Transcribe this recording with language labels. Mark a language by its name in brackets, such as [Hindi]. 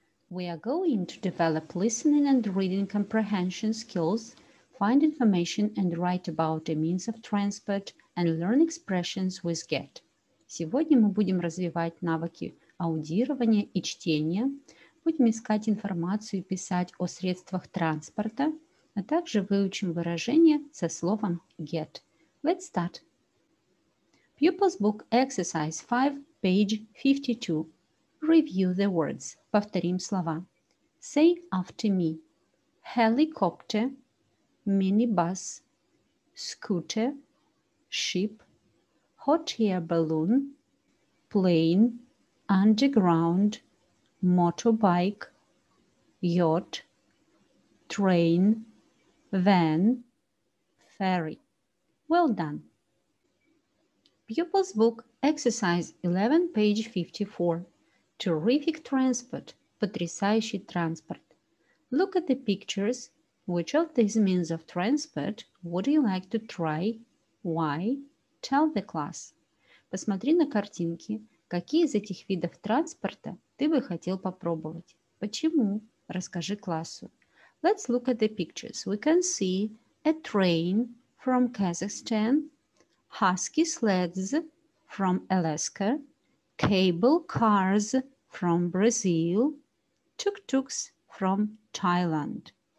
[English] We are going to develop listening and reading comprehension skills, find information and write about a means of transport, and learn expressions with get. [Russian] Сегодня мы будем развивать навыки аудирования и чтения, будем искать информацию и писать о средствах транспорта, а также выучим выражение со словом get. [English] Let's start. Pupil's book exercise 5, page 52. Review the words. [Russian] Повторим слова. [English] Say after me. Helicopter, minibus, scooter, ship, hot air balloon, plane, underground, motorbike, yacht, train, van, ferry. Well done. Pupil's book, exercise 11, page 54. Terrific transport. [Russian] Потрясающий транспорт. [English] Look at the pictures. Which of these means of transport would you like to try? Why? Tell the class. [Russian] Посмотри на картинки. Какие из этих видов транспорта ты бы хотел попробовать? Почему? Расскажи классу. [English] Let's look at the pictures. We can see a train from Kazakhstan, husky sleds from Alaska, cable cars from Brazil, tuk-tuks from Thailand.